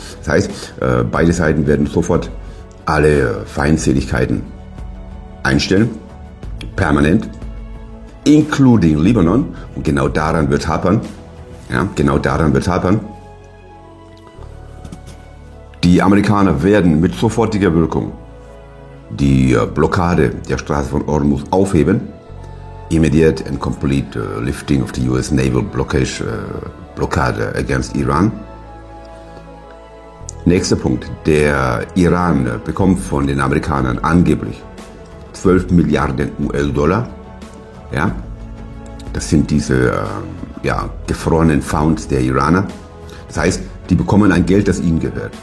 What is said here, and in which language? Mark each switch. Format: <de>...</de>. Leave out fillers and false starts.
<de>Das heißt, beide Seiten werden sofort alle Feindseligkeiten einstellen, permanent,</de> <en>including Libanon,</en> <de>und genau daran wird es hapern. Ja, genau daran wird es hapern. Die Amerikaner werden mit sofortiger Wirkung die Blockade der Straße von Hormuz aufheben.</de> <en>Immediate and complete lifting of the US Naval Blockade against Iran.</en> <de>Nächster Punkt. Der Iran bekommt von den Amerikanern angeblich 12 Milliarden US-Dollar. Ja. Das sind diese gefrorenen Founds der Iraner. Das heißt, die bekommen ein Geld, das ihnen gehört.</de>